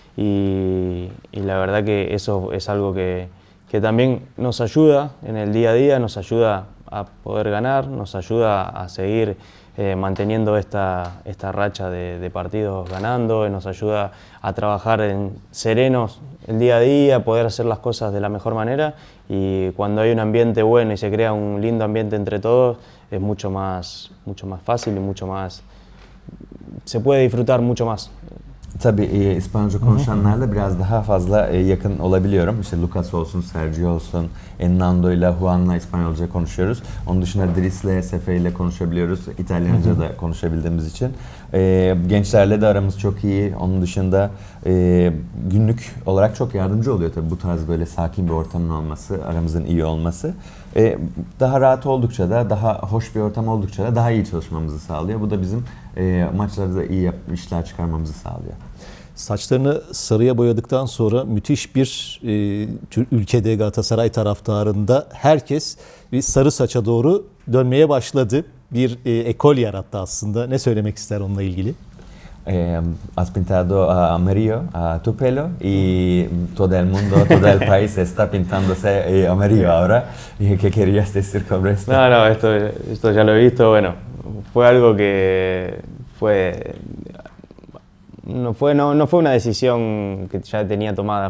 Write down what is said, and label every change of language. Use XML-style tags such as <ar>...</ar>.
<es>Y la verdad que eso es algo que también nos ayuda en el día a día, nos ayuda a poder ganar, nos ayuda a seguir manteniendo esta racha de partidos ganando, nos ayuda a trabajar en serenos el día a día, poder hacer las cosas de la mejor manera y cuando hay un ambiente bueno y se crea un lindo ambiente entre todos, es mucho más fácil y mucho más, se puede disfrutar mucho más.</es> <tr>Tabii İspanyolca konuşanlarla biraz daha fazla yakın olabiliyorum. İşte Lucas olsun, Sergio olsun, Nando ile Juan'la İspanyolca konuşuyoruz. Onun dışında Dris ile Sefe ile konuşabiliyoruz. İtalyanca da konuşabildiğimiz için. Gençlerle de aramız çok iyi. Onun dışında günlük olarak çok yardımcı oluyor tabii bu tarz böyle sakin bir ortamın olması, aramızın iyi olması. Daha rahat oldukça da, daha hoş bir ortam oldukça da daha iyi çalışmamızı sağlıyor. Bu da bizim maçlarda iyi işler çıkarmamızı sağlıyor. Saçlarını sarıya boyadıktan sonra müthiş bir ülkede Galatasaray taraftarında herkes bir sarı saça doğru dönmeye başladı. Bir ekol yarattı aslında. Ne söylemek ister onunla ilgili?</tr> <es>Has pintado amarillo tu pelo y todo el mundo, todo el país está pintándose amarillo ahora. ¿Qué querías decir con esto? No, esto ya lo he visto. Bueno, fue algo que fue no fue una decisión que ya tenía tomada.</es>